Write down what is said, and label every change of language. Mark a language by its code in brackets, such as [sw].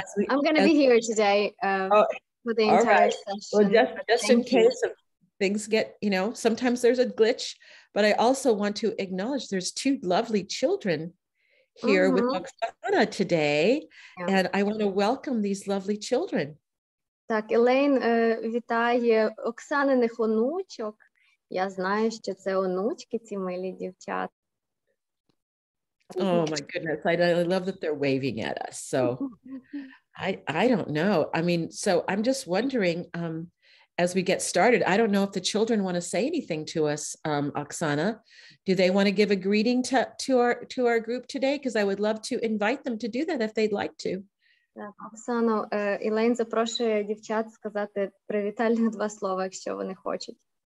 [en] I'm going to be here today for the entire session. Well, just in case things get, you know, sometimes there's a glitch, but I also want to acknowledge there's two lovely children here with Oksana today, and I want to welcome these lovely children. [uk] Так, Елейн вітає Оксанених онучок. Я знаю, що це онучки ці милі дівчата. [en] Oh my goodness, I love that they're waving at us. So I don't know. I mean, so I'm just wondering, as we get started, I don't know if the children want to say anything to us, Oksana. Do they want to give a greeting to our group today? Because I would love to invite them to do that if they'd like to. [uk] Оксано, Елейн запрошує дівчат сказати привітальні два слова, якщо вони хочуть.